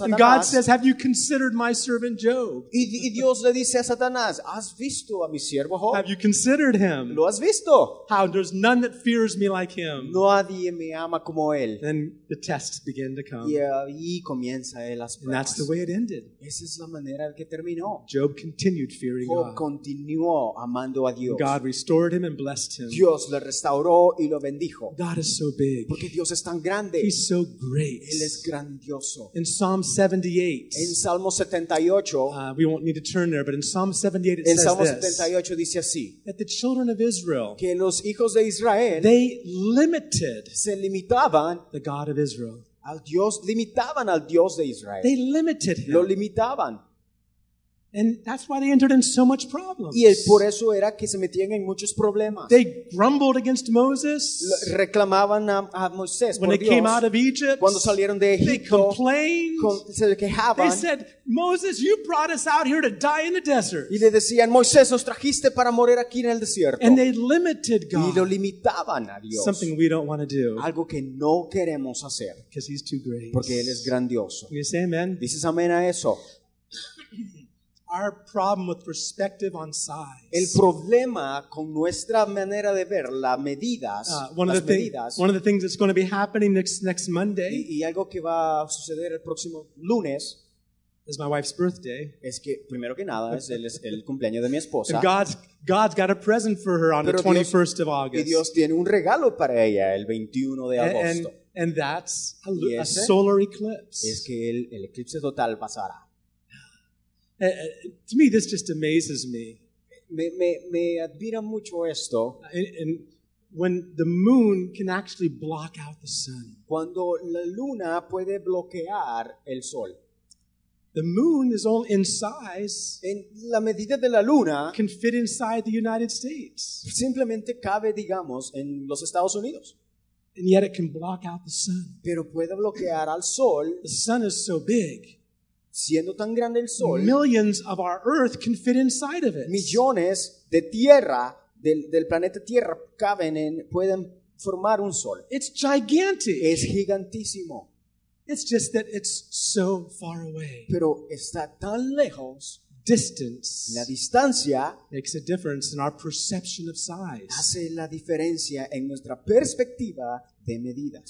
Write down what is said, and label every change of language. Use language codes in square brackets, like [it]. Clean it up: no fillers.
[en] and God says, "Have you considered my servant Job?" [es] Y Dios le dice a Satanás, ¿has visto a mi siervo Job? [en] Have you considered him? [es] ¿Lo has visto? [en] How there's none that fears me like him. [es] Nadie me ama como él. [en] Then the tests begin to come. [es] Y ahí comienza él las pruebas. [en] And that's the way it ended. [es] Esa es la manera que terminó. [en] Job continued fearing [es] Job Continuó amando a Dios. [en] God restored him and blessed him. [es] Dios le restauró y lo bendijo. [en] God is so big. [es] Porque Dios es tan grande. [en] He's so great. [es] Él es grandioso. [en] In Psalm 78. [es] En Salmo 78. [en] We won't need to turn there, but in Psalm 78 it says [es] Salmo 78 this. Dice así, [en] that the children of Israel, [es] que los hijos de Israel, [en] they limited, [es] se limitaban, [en] the God of Israel, [es] al Dios, limitaban al Dios de Israel, [en] they limited him, [es] lo limitaban, [en] and that's why they entered in so much problems. [es] Y por eso era que se metían en muchos problemas. [en] They grumbled against Moses, [es] reclamaban a Moisés, [en] when [es] por Dios [en] came out of Egypt, [es] cuando salieron de Egipto, [en] they complained, [es] se quejaban, [en] they said, Moses, you brought us out here to die in the desert. [es] Y le decían, Moisés, nos trajiste para morir aquí en el desierto. [en] And they limited God. [es] Y lo limitaban a Dios. [en] Something we don't want to do. [es] Algo que no queremos hacer. [en] Because he's too great. [es] Porque él es grandioso. [en] You say amen. [es] Dices amén a eso. [en] Our problem with perspective on size. [es] El problema con nuestra manera de ver las medidas. [en] One of the things that's going to be happening next Monday. [es] Y algo que va a suceder el próximo lunes. [en] Is my wife's birthday. [es] Es que primero que nada es el cumpleaños de mi esposa. [en] And God's got a present for her on [es] Pero [en] the 21st of August. [es] Y Dios tiene un regalo para ella el 21 de agosto. [en] And that's a solar eclipse. [es] Es que el eclipse total pasará. [en] To me, this just amazes me. [es] Me admira mucho esto. [en] And when the moon can actually block out the sun. [es] Cuando la luna puede bloquear el sol. [en] The moon is all in size. [es] En la medida de la luna [en] can fit inside the United States. [es] Simplemente cabe, digamos, en los Estados Unidos. [en] And yet it can block out the sun. [es] Pero puede bloquear al sol. [en] The sun is so big. [es] Siendo tan grande el sol, [en] millions of our earth can fit inside of it. [es] Millones de tierra del planeta Tierra pueden formar un sol. [en] It's gigantic. [es] Es gigantísimo. [en] It's just that it's so far away. [es] Pero está tan lejos. [en] Distance. [es] La distancia [en] makes a difference in our perception of size. [es] Hace la diferencia en nuestra perspectiva de medidas.